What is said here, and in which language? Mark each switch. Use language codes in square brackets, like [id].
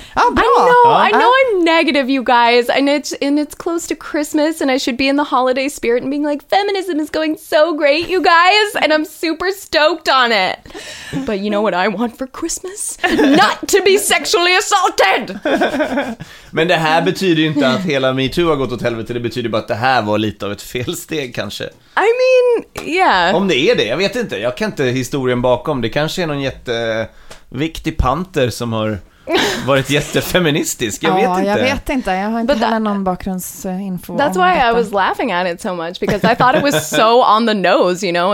[sv] Ja, bra. [en] I know I'm negative, you guys. And it's close to Christmas and I should be in the holiday spirit and being like, feminism is going so great, you guys. And I'm super stoked on it. But you know what I want for Christmas? Not to be sexually assaulted. [sv] Men det här betyder ju inte att hela MeToo har gått åt helvete. Det betyder bara att det här var lite av ett felsteg, kanske. [en] I mean, yeah. [sv] Om det är det, jag vet inte. Jag kan inte historien bakom. Det kanske är någon jätteviktig panter som har varit jättefeministisk. Jag vet inte. Ja, jag vet inte. Jag har inte heller någon bakgrundsinfo. [en] That's why I was laughing at it so much, because I thought it was so on the nose, you know?